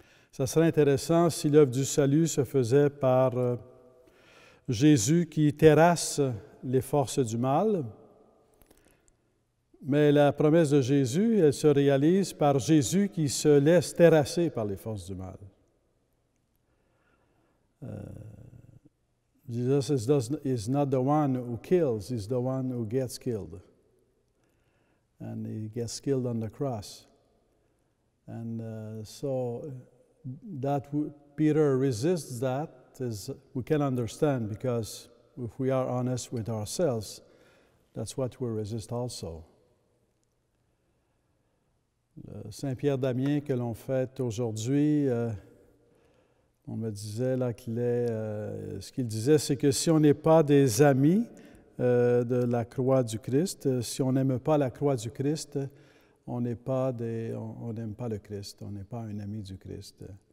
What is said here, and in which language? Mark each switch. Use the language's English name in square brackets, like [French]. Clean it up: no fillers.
[French] Ça serait intéressant si l'œuvre du salut se faisait par Jésus qui terrasse les forces du mal. Mais la promesse de Jésus, elle se réalise par Jésus qui se laisse terrasser par les forces du mal. [English] Jesus is not the one who kills, he's the one who gets killed. And he gets killed on the cross. That Peter resists that is we can understand, because if we are honest with ourselves, that's what we resist also. [French] Le Saint-Pierre d'Amiens que l'on fête aujourd'hui, on me disait là qu'il est, ce qu'il disait, c'est que si on n'est pas des amis de la croix du Christ, si on n'aime pas la croix du Christ, on n'aime pas le Christ, on n'est pas un ami du Christ.